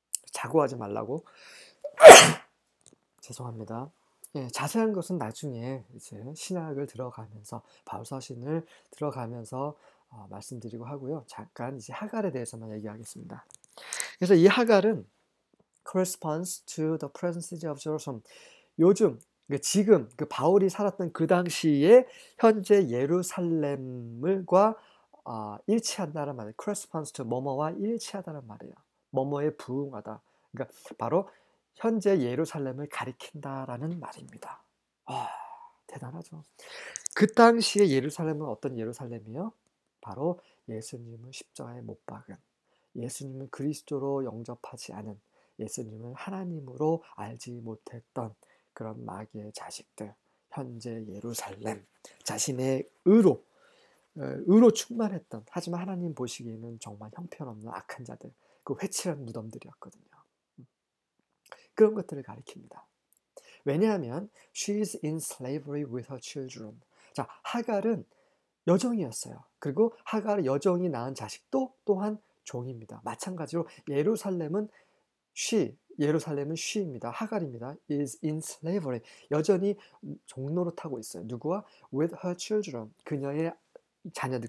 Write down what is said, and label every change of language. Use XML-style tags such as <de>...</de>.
<ko>자고하지 말라고. 죄송합니다. 예, 자세한 것은 나중에 이제 신학을 들어가면서 바울 서신을 들어가면서 말씀드리고 하고요. 잠깐 이제 하갈에 대해서만 얘기하겠습니다. 그래서 이 하갈은</ko> <en>corresponds to the present city of Jerusalem.</en> <ko>요즘 지금 그 바울이 살았던 그 당시에 현재 예루살렘을과 일치한다는 말이에요.</ko> <en>correspond to</en> <ko>뭐뭐와 일치하다는 말이에요. 뭐뭐에 부응하다. 그러니까 바로 현재 예루살렘을 가리킨다라는 말입니다. 대단하죠. 그 당시에 예루살렘은 어떤 예루살렘이요? 바로 예수님을 십자가에 못 박은, 예수님을 그리스도로 영접하지 않은, 예수님을 하나님으로 알지 못했던 그런 마귀의 자식들, 현재 예루살렘, 자신의 의로 충만했던, 하지만 하나님 보시기에는 정말 형편없는 악한 자들, 그 회칠한 무덤들이었거든요. 그런 것들을 가리킵니다. 왜냐하면</ko> <en>she is in slavery with her children.</en> <ko>자, 하갈은 여종이었어요. 그리고 하갈의 여종이 낳은 자식도 또한 종입니다. 마찬가지로 예루살렘은 예루살렘은 she입니다. 하갈입니다.</ko> <en>is in slavery.</en> <ko>여전히 종노릇 하고 있어요. 누구와?</ko> <en>with her children.</en> <ko>그녀의 자녀들.</ko>